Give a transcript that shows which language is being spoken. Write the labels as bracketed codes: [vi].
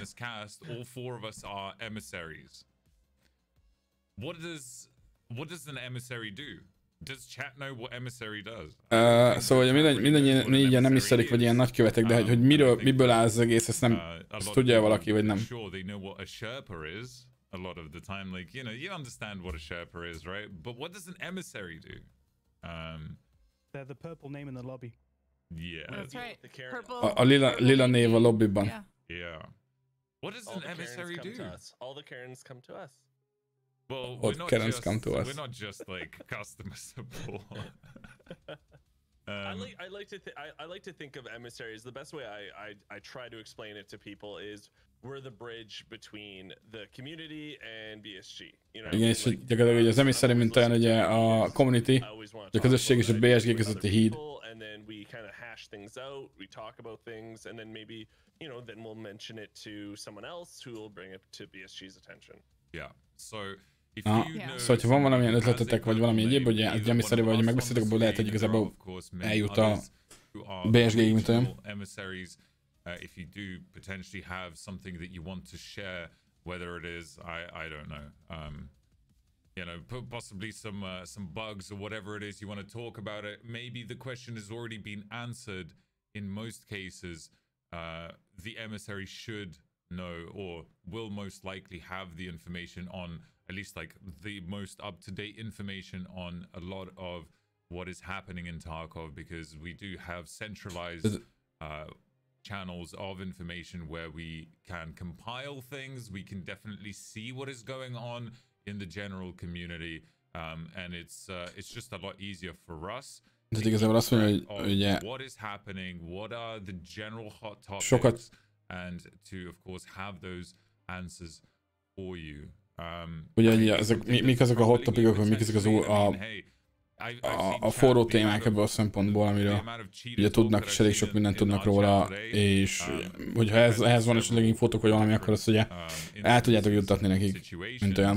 [en] Cast, all four of us are emissaries. What does an emissary do? Does chat know what emissary does? [hu] Szóval mindannyian nem is szerik, vagy ilyen nagykövetek, de hogy miből áll az egész, ezt nem tudja valaki, vagy nem. [en] Sure, they know what a Sherpa is a lot of the time. Like, you know, you understand what a Sherpa is, right? But what does an emissary do? They're the purple name in the lobby. Yeah. That's right. [hu] A lila név a lobbyban. [en] Yeah. What does an emissary do? All the Karens come to us. Well, we're not just like customer support. I like to think of emissaries. The best way I try to explain it to people is we're the bridge between the community and BSG. [hu] Igen, és gyakorlatilag az emissary, mint olyan ugye a community, a közösség és a BSG közötti híd. [en] And then we kind of hash things out, we talk about things, and then maybe, you know, then we'll mention it to someone else who will bring it to BSG's attention. Yeah. So if you know, [hu] szóval, hogyha van valamilyen ötletetek, vagy valami egyéb, hogy egy emissary-val, hogy megbeszéltek, abból lehet, hogy igazából eljut a BSG-ig, mint olyan. [en] If you do potentially have something that you want to share, whether it is, I don't know, you know, possibly some bugs or whatever it is you want to talk about it. Maybe the question has already been answered. In most cases, the emissary should know or will most likely have the information on, at least like the most up-to-date information on a lot of what is happening in Tarkov, because we do have centralized channels of information where we can compile things. We can definitely see what is going on in the general community, and it's just a lot easier for us. What is happening? What are the general hot topics? [hu] Sokat. [en] And to, of course, have those answers for you. [hu] Ugye, ezek, mik azok a hot topics, mik azok az új, a... [en] Hey, [hu] a forró témák ebből a szempontból, amiről ugye tudnak, és elég sok mindent tudnak róla, és hogyha ehhez van esetleg infótok, vagy valami, akkor azt ugye el tudjátok juttatni nekik, mint olyan.